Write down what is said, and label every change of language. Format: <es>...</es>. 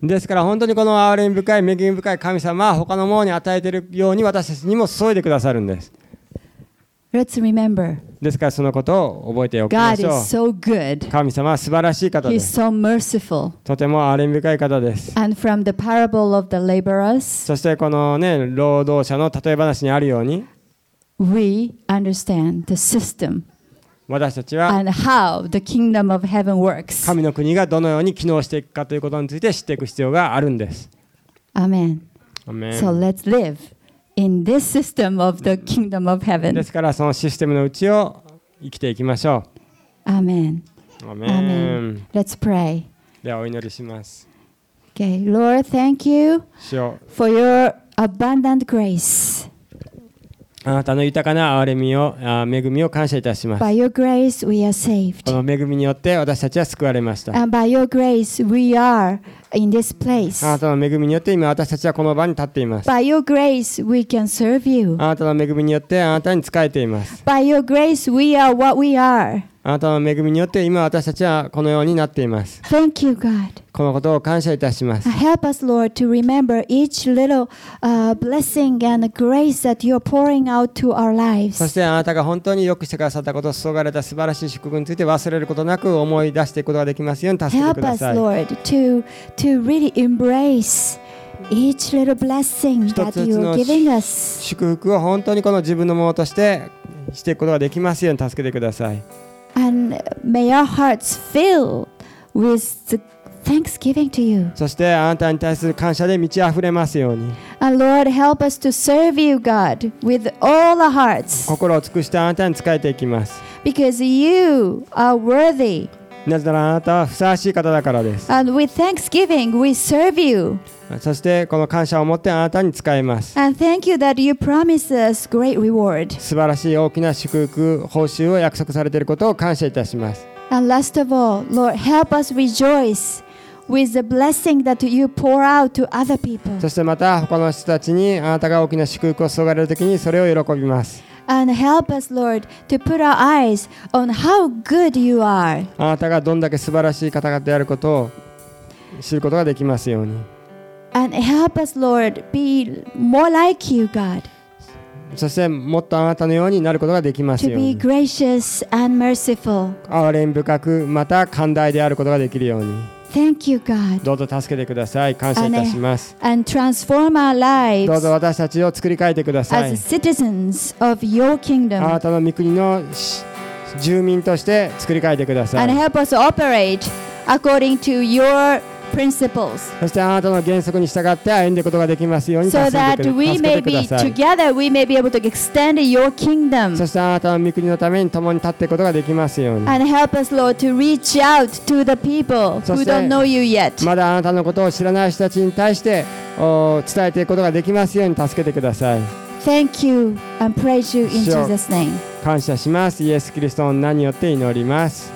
<ja>ですから本当にこの憐れみ深い恵み深い神様は他のものに与えているように私たちにも注いでくださるんです。</ja> <en>Let's remember.</en> <ja>ですからそのことを覚えておきましょう。</ja> <en>God is so good.</en> <ja>神様は素晴らしい方です。</ja> <en>He's so merciful.</en> <ja>とても憐れみ深い方です。</ja> <en>And from the parable of the laborers.</en> <ja>そしてこのね、労働者の例え話にあるように。</ja> <en>We understand the system.</en> <ja>私たちは</ja> <en>and how the kingdom of heaven works.</en> <ja>神の国がどのように機能していくかということについて知っていく必要があるんです。</ja> <en>Amen. Amen. So let's live in this system of the kingdom of heaven.</en> <ja>ですからそのシステムのうちを生きていきましょう。</ja> <en>Amen. Amen. Amen. Let's pray.</en> <ja>ではお祈りします。</ja> <en>Okay, Lord, thank you for your abundant grace.</en> <ja>あなたの豊かな憐れみを恵みを感謝いたします。</ja> <en>By your grace, we are saved.</en> <ja>この恵みによって私たちは救われました。</ja> <en>And by your grace, we are in this place.</en> <ja>あなたの恵みによって今私たちはこの場に立っています。</ja> <en>By your grace, we can serve you.</en> <ja>あなたの恵みによってあなたに仕えています。</ja> <en>By your grace, we are what we are.</en> <ja>あなたの恵みによって今私たちはこのようになっています。</ja> <en>Thank you, God.</en> <ja>このことを感謝いたします。</ja> <en>Help us, Lord, to remember each little blessing and grace that you're pouring out to our lives.</en> <ja>そしてあなたが本当に良くしてくださったこと、注がれた素晴らしい祝福について忘れることなく思い出していくことができますように助けてください。</ja> <en>Help us, Lord, to really embrace each little blessing that you're giving us.</en> <ja>祝福を本当にこの自分のものとしてしていくことができますように助けてください。</ja> <en>And may our hearts fill with the thanksgiving to you.</en> <ja>そしてあなたに対する感謝で満ち溢れますように。</ja> <en>And Lord, help us to serve you, God, with all our hearts.</en> <ja>心を尽くしてあなたに仕えていきます。</ja> <en>Because you are worthy.</en> <ja>なぜならあなたはふさわしい方だからです。</ja> <en>And with thanksgiving, we serve you.</en> <ja>そしてこの感謝を持ってあなたに仕えます。</ja> <en>And thank you that you promise us great reward.</en> <ja>素晴らしい大きな祝福報酬を約束されていることを感謝いたします。</ja> <en>And last of all, Lord, help us rejoice with the blessing that you pour out to other people.</en> <ja>そしてまた他の人たちにあなたが大きな祝福を注がれるときにそれを喜びます。</ja> <en>And help us, Lord, to put our eyes on how good you are.</en> <ja>あなたがどんだけ素晴らしい方々であることを知ることができますように。</ja> <en>And help us, Lord, be more like you, God.</en> <ja>そしてもっとあなたのようになることができますように。</ja> <en>To be gracious and merciful.</en> <ja>憐れみ深くまた寛大であることができるように。</ja> <en>Thank you, God.</en> <ja>どうぞ助けてください。感謝いたします。</ja> <en>And transform our lives.</en> <ja>どうぞ私たちを作り変えてください。</ja> <en>As citizens of your kingdom.</en> <ja>あなたの御国の住民として作り変えてください。</ja> <en>And help us operate according to your principles.</en> <ja>そしてあなたの原則に従って歩んでいくことができますように助けてください。</ja> <en>So that we may be together, we may be able to extend your kingdom.</en> <ja>そしてあなたの御国のために共に立っていくことができますように。</ja> <en>And help us, Lord, to reach out to the people who don't know you yet.</en> <ja>まだあなたのことを知らない人たちに対して伝えていくことができますように助けてください。</ja> <en>Thank you and praise you in Jesus' name.</en> <ja>感謝します。イエス・キリストの名によって祈ります。</ja>